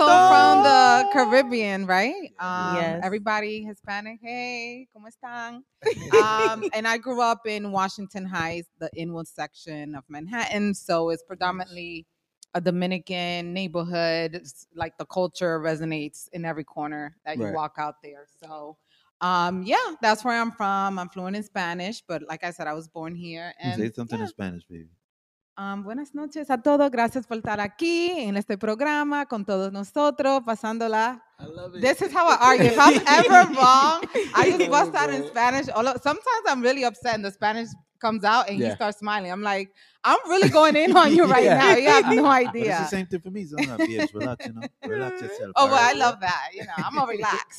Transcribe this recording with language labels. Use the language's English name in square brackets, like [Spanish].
[English] Also from the Caribbean, right? Everybody Hispanic, hey, [Spanish] ¿cómo están? [English] and I grew up in Washington Heights, the Inwood section of Manhattan. So it's predominantly a Dominican neighborhood. It's like the culture resonates in every corner that you walk out there. So that's where I'm from. I'm fluent in Spanish, but like I said, I was born here. And say something in Spanish, baby. [Spanish] Buenas noches a todos. Gracias por estar aquí en este programa con todos nosotros, pasándola. [English] I love it. This is how I argue. If I'm ever wrong, I just bust out in Spanish. Sometimes I'm really upset and the Spanish comes out and he starts smiling. I'm like, I'm really going in on you right now. You have no idea. But it's the same thing for me. So I'm not relax, you know. Relax yourself. Oh, but I love that. You know, I'm going to relax.